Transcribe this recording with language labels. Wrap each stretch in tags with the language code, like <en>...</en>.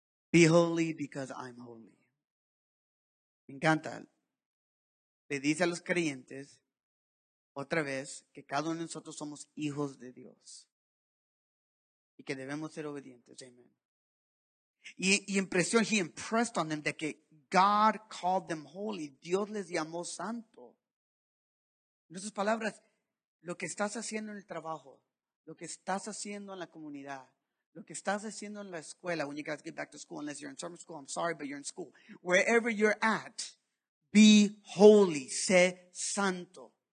<en>Be holy because I'm holy.</en> <es>Me encanta. Le dice a los creyentes, otra vez, que cada uno de nosotros somos hijos de Dios. Y que debemos ser obedientes. Amen. Y impresión,</es> <en>he impressed on them that God called them holy.</en> <es>Dios les llamó santo. En otras palabras, lo que estás haciendo en el trabajo, lo que estás haciendo en la comunidad, lo que estás haciendo en la escuela,</es> <en>when you guys get back to school, unless you're in summer school, I'm sorry, but you're in school. Wherever you're at, be holy,</en> <es>sé santo.</es>